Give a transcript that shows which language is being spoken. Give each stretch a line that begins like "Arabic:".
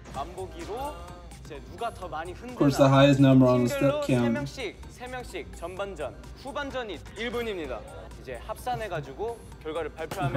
Korean: 반복으로 이제 누가 더 많이 흔들나.
English: Of course, the highest number on the step count.
Korean: 세 명씩 전반전, 후반전이 1분입니다. 이제 합산해 가지고 결과를 발표하면